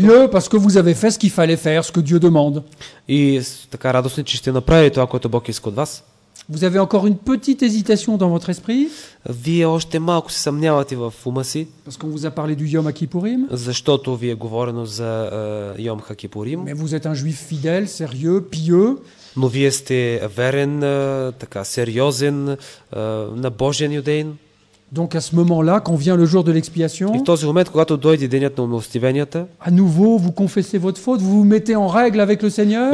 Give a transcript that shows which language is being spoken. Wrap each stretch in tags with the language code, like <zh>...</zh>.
<fr>Mieux, parce que vous avez fait ce qu'il fallait faire, ce que Dieu demande.</fr> <bg>И така радостни, че сте направили това, което Бог иска от вас.</bg> <fr>Vous avez encore une petite hésitation dans votre esprit?</fr> <bg>Вие още малко се съмнявате в ума си?</bg> <fr>Parce qu'on vous a parlé du Йом Хакипурим?</fr> <bg>Защото ви е говорено за Йом Хакипурим?</bg> <fr>Mais vous êtes un juif fidèle, sérieux, pieux?</fr> <bg>Но вие сте верен, така сериозен, набожен юдейн?</bg> <fr>Donc à ce moment-là, quand vient le jour de l'expiation,</fr> <bg>в този момент, когато дойде денят на умилостивенията,</bg> <fr>à nouveau, vous confessez votre faute, vous vous mettez en règle avec le Seigneur.</fr>